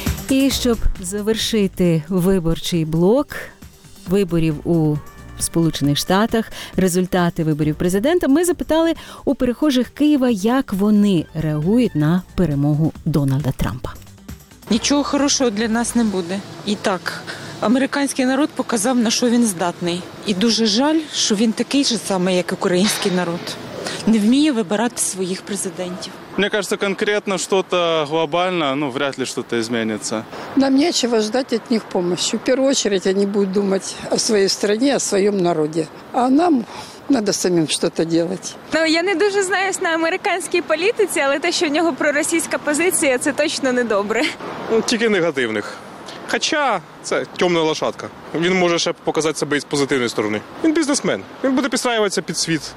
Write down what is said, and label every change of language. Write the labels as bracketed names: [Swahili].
[Ukrainian] І щоб завершити виборчий блок виборів у Сполучених Штатах, результати виборів президента, ми запитали у перехожих Києва, як вони реагують на перемогу Дональда Трампа. Нічого хорошого для нас не буде. І так, американський народ показав, на що він здатний. І дуже жаль, що він такий же самий, як український народ. Не вміє вибирати своїх президентів. [Russian] Мені кажется, конкретно что-то глобально, ну, вряд ли что-то изменится. Нам нечего ждать от них помощи. В первую очередь они будут думать о своей стране, о своем народе. [Ukrainian] А нам треба самим щось робити. Ну, я не дуже знаюсь на американській політиці, але те, що в нього проросійська позиція, це точно не добре. Ну, тільки негативних. Хоча це темна лошадка. Він може ще показати себе з позитивної сторони. Він бізнесмен. Він буде підстраюватися під світ.